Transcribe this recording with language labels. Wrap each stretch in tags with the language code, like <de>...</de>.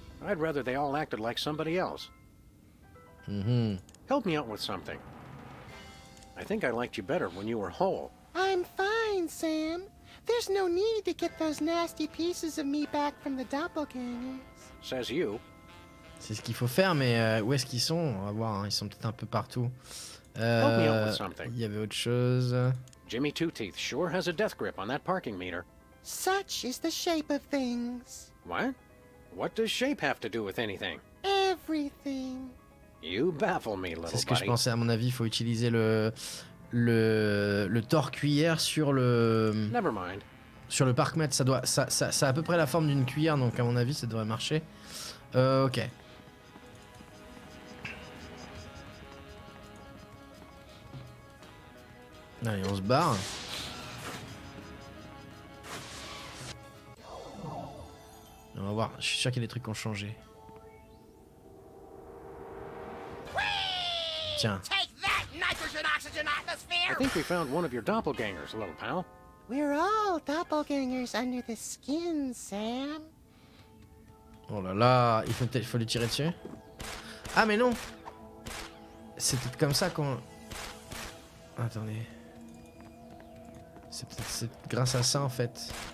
<en>I'd rather they all acted like somebody else. Mm-hmm. Help me out with something. I think I liked you better when you were whole. I'm fine, Sam. There's no need to get those nasty pieces of me back from the doppelgangers. Says you.</en> <fr>C'est ce qu'il faut faire, mais où est-ce qu'ils sont? On va voir, hein. Ils sont peut-être un peu partout. Il y avait autre chose.</fr> <en>Jimmy Two Teeth sure has a death grip on that parking meter. Such is the shape of things. What? What does shape have to do with anything? Everything. You baffle me, little</en> <fr>C'est ce que</fr> <en>buddy.</en> <fr>Je pensais, à mon avis, il faut utiliser le tord-cuillère sur le...</fr> <en>Never mind.</en> <fr>Sur le parkmètre, ça a à peu près la forme d'une cuillère, donc à mon avis, ça devrait marcher. Ok. Allez, on se barre. On va voir, je suis sûr qu'il y a des trucs qui ont changé. Tiens.</fr> <en>Take that, nitrogen oxygen atmosphere! I think we found one of your doppelgangers, little pal. We're all doppelgangers under the skin, Sam.</en> <fr>Oh là là, il faut peut-être lui tirer dessus. Ah mais non! C'est peut-être comme ça qu'on... Attendez... C'est grâce à ça en fait.</fr>